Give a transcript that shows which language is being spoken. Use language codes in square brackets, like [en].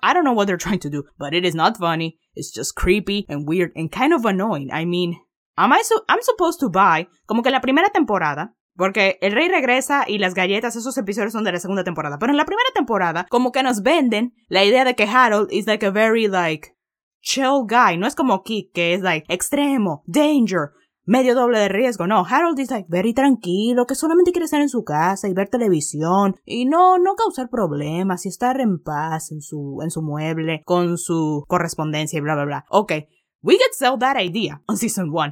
[en] I don't know what they're trying to do, but it is not funny. It's just creepy and weird and kind of annoying. I mean, I'm supposed to buy, [es] como que la primera temporada, porque El Rey Regresa y Las Galletas, esos episodios son de la segunda temporada, pero en la primera temporada, como que nos venden la idea de que [en] Harold is like a very, like, chill guy. [es] No es como Kick, que es, like, extremo, danger, medio doble de riesgo. No, [en] Harold is, like, very [es] tranquilo, que solamente quiere estar en su casa y ver televisión y no causar problemas y estar en paz en su mueble con su correspondencia y bla, bla, bla. [en] Okay, we get sell that idea on season one.